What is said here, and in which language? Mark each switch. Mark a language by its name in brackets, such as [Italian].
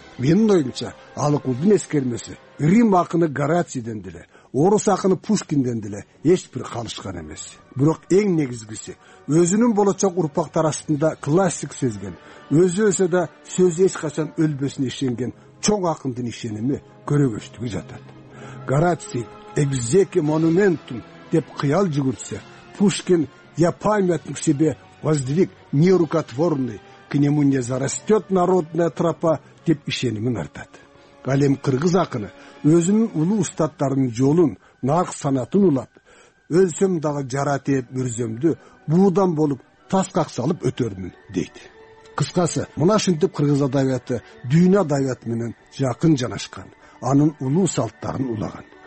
[Kyrgyz] Менин оюмча, Алыкулдун эскермеси Рим акыны Гарацийден деле, орус акыны Пушкинден деле эч бир калышкан эмес. Бирок эң негизгиси, өзүнүн болочок урпактар арасында классик сезген, өзү өлсө да сөзү эч качан өлбөсүнө ишенген чоң акындын ишеними көрөгөчтүгү жатат. Гараций [Latin] экзеки монументум [Kyrgyz] деп кыял жүгүртсе, Пушкин [Russian] я памятник себе воздвиг нерукотворный, к нему не зарастет народная тропа, [Kyrgyz] деп ишенимин артат. Ал эми кыргыз акыны өзүнүн улуу устаттарынын жолун, нарк санатын улап, өлсөм дагы жара тиеп мүрзөмдү, буудан болуп таскак салып өтөрмүн, дейт. Кыскасы, мына ушинтип кыргыз адабияты дүйнө адабияты менен жакын жанашкан, анын улуу салттарын улаган.